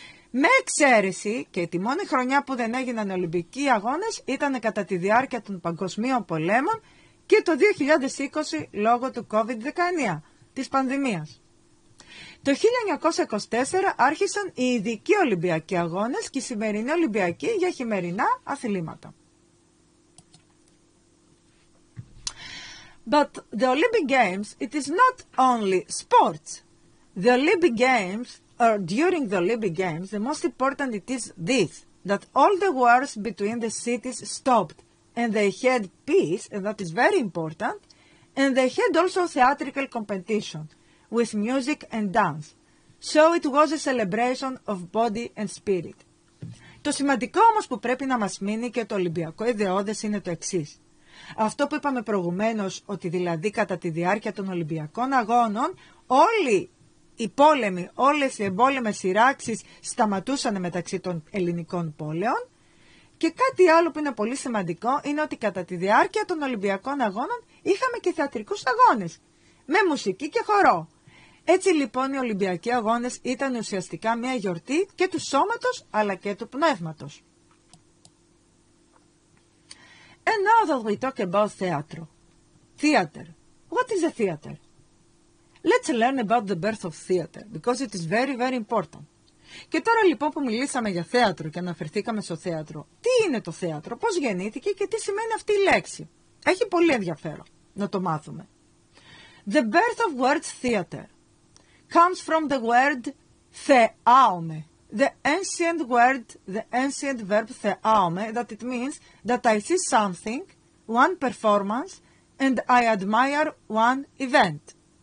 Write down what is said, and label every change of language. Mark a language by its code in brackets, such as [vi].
[el] Με εξαίρεση και τη μόνη χρονιά που δεν έγιναν Ολυμπιακοί αγώνες ήταν κατά τη διάρκεια των Παγκοσμίων Πολέμων και το 2020 λόγω του COVID-19, της πανδημίας. Το 1924 άρχισαν οι ειδικοί Ολυμπιακοί αγώνες και οι σημερινοί Ολυμπιακοί για χειμερινά αθλήματα. [en] But the Olympic Games, it is not only sports. The Olympic Games, or during the Olympic Games, the most important it is this, that all the wars between the cities stopped, and they had peace, and that is very important, and they had also theatrical competition with music and dance. So it was a celebration of body and spirit. [el] Το σημαντικό όμως που πρέπει να μας μείνει και το Ολυμπιακό ιδεώδες είναι το εξής. Αυτό που είπαμε προηγουμένως, ότι δηλαδή κατά τη διάρκεια των Ολυμπιακών αγώνων, όλοι οι πόλεμοι, όλες οι εμπόλεμες σειράξεις σταματούσαν μεταξύ των ελληνικών πόλεων. Και κάτι άλλο που είναι πολύ σημαντικό είναι ότι κατά τη διάρκεια των Ολυμπιακών Αγώνων είχαμε και θεατρικούς αγώνες, με μουσική και χορό. Έτσι λοιπόν οι Ολυμπιακοί Αγώνες ήταν ουσιαστικά μια γιορτή και του σώματος αλλά και του πνεύματος. [en] And now that we talk about theater. Theater. What is a theater? Let's learn about the birth of theater, because it is very, very important. [el] Και τώρα λοιπόν που μιλήσαμε για θέατρο και αναφερθήκαμε στο θέατρο, τι είναι το θέατρο, πώς γεννήθηκε και τι σημαίνει αυτή η λέξη. Έχει πολύ ενδιαφέρον να το μάθουμε. [en] The birth of words theater comes from the word θεάωμε. The ancient word, the ancient verb θεάωμε, that it means that I see something, one performance, and I admire one event.